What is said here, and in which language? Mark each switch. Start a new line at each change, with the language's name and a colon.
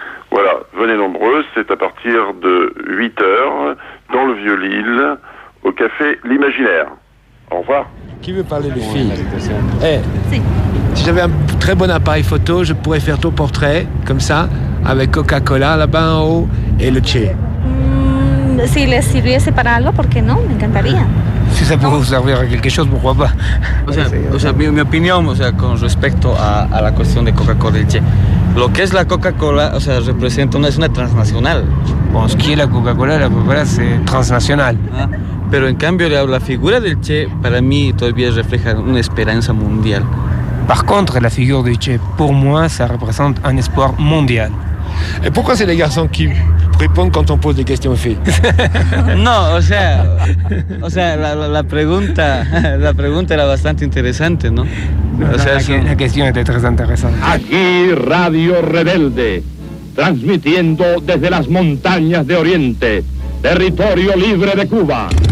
French: Voilà, venez nombreux, c'est à partir de 8h, dans le Vieux-Lille, au Café L'Imaginaire. Au revoir. Qui veut parler de filles ? Si j'avais un très bon appareil photo, je pourrais faire ton portrait, comme ça, avec Coca-Cola là-bas en haut, et le Che.
Spanish: Si le sirviese para algo, ¿por qué no? Me encantaría.
French: Si se puede servir a quelque chose, pourquoi pas?
Spanish: Mi opinión, con respecto a la cuestión de Coca-Cola, che, lo que es la Coca-Cola, representa una transnacional. Bueno, ¿qué es la Coca-Cola es transnacional? Pero en cambio, la figura del Che, para mí, todavía refleja una esperanza mundial.
French: Par contre,
Spanish: la figura del Che,
French: pour moi, ça représente un espoir mundial. Et pourquoi c'est les garçons qui répondent quand on pose des questions aux filles?
Spanish: Non, la pregunta era bastante interesante, ¿no?
French: La question était très intéressante.
Spanish: Aquí Radio Rebelde, transmitiendo desde las montañas de Oriente, territorio libre de Cuba.